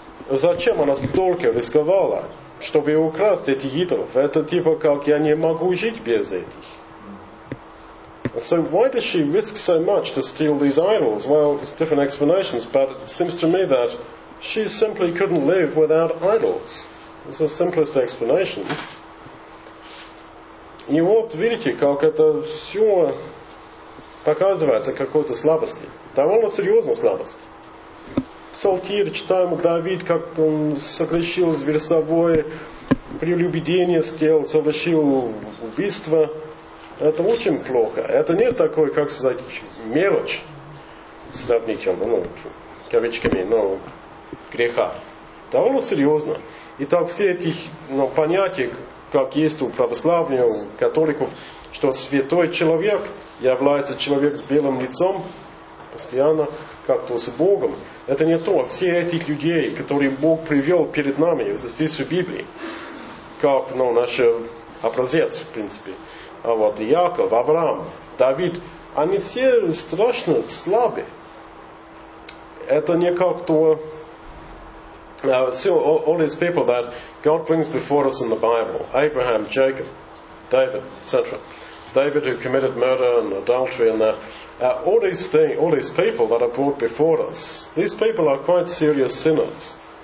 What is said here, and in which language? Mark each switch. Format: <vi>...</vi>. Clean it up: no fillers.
<ru>Зачем она столько рисковала, чтобы украсть этих идолов? Это типа как я не могу жить без этих.</ru> <en>So why does she risk so much to steal these idols? Well, there's different explanations, but it seems to me that she simply couldn't live without idols. It's the simplest explanation.</en> <ru>И вот видите, как это все показывается какой-то слабости. Довольно серьезной слабости. Псалтир, читаем Давид, как он согрешил с Версавой, прелюбедение сделал, совершил убийство. Это очень плохо. Это не такое, как сказать, мелочь сравнительно, ну, кавычками, но греха. Довольно серьезно. Итак, все эти понятия, как есть у православных, у католиков, что святой человек является человек с белым лицом, постоянно как-то с Богом. Это не то. Все этих людей, которые Бог привел перед нами, это здесь в Библии, как наш образец, в принципе. А вот Яков, Авраам, Давид, они все страшно слабы. Это не как-то...</ru> <en>So all these people that God brings before us in the Bible, Abraham, Jacob, David, etc. David who committed murder and adultery and that. All these people that are brought before us, these people are quite serious sinners.</en>